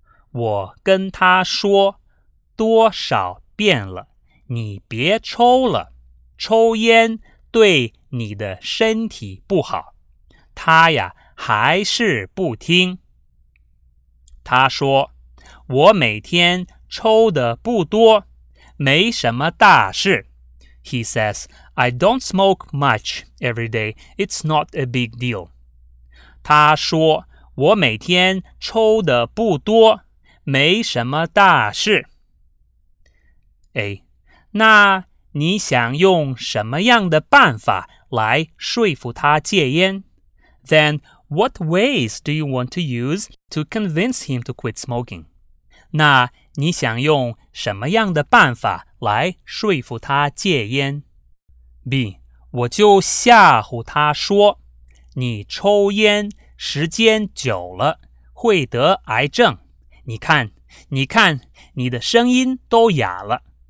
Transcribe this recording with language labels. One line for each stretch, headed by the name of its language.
Chinese: 我跟他说多少遍了，你别抽了，抽烟对你的身体不好。他呀，还是不听。他说，我每天抽的不多，没什么大事。
English: He says, I don't smoke much every day. It's not a big deal.
Chinese: 他说，我每天抽的不多，没什么大事。 A. 那你想用什么样的办法来说服他戒烟？
English: Then,What ways do you want to use to convince him to quit smoking?
Chinese: 那你想用什么样的办法来说服他戒烟? B. 我就吓唬他说,你抽烟时间久了,会得癌症。你看,你看,你的声音都哑了。